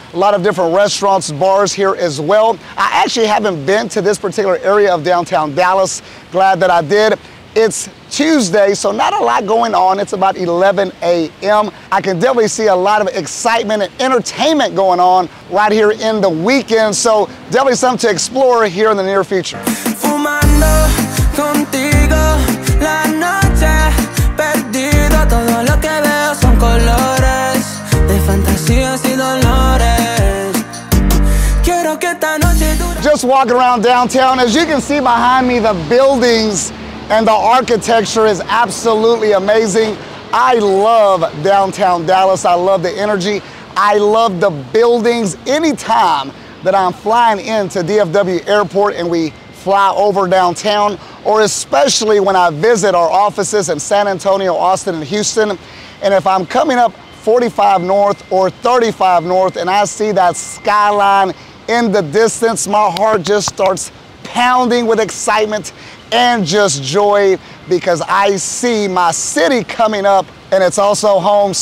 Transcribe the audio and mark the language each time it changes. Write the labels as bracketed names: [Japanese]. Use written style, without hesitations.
[English] A lot of different restaurants, bars here as well. I actually haven't been to this particular area of downtown Dallas. Glad that I did. It's Tuesday, so not a lot going on. It's about 11 a.m. I can definitely see a lot of excitement and entertainment going on right here in the weekend. So definitely something to explore here in the near future. [Spanish] Fumando contigo la noche perdido todo lo que veo son colores de fantasías y dolores quiero que esta noche dure. [English] Just walking around downtown, as you can see behind me, the buildings and the architecture is absolutely amazing. I love downtown Dallas. I love the energy. I love the buildings. Anytime that I'm flying into DFW Airport and we fly over downtown, or especially when I visit our offices in San Antonio, Austin, and Houston, and if I'm coming up 45 North or 35 North and I see that skyline in the distance, my heart just starts pounding with excitement and just joy because I see my city coming up and it's also home.